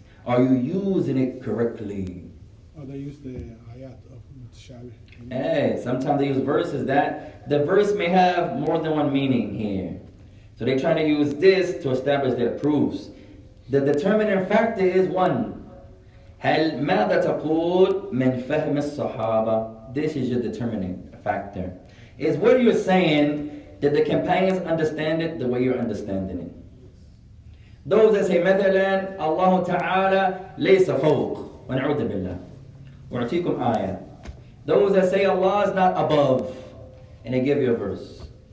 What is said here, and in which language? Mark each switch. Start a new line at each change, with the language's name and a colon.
English: Are you using it correctly? Oh, they use the ayat of mutashabih. Hey, sometimes they use verses that the verse may have more than one meaning here. So they're trying to use this to establish their proofs. The determining factor is one.
Arabic: هل ماذا تقول من فهم الصحابة?
English: This is your determining factor. Is what you're saying, did the companions understand it the way you're understanding it? Those that say,
Arabic: مثلا, الله تعالى ليس فوق. ونعوذ بالله. وعطيكم آية.
English: Those that say, Allah is not above. And I give you a verse.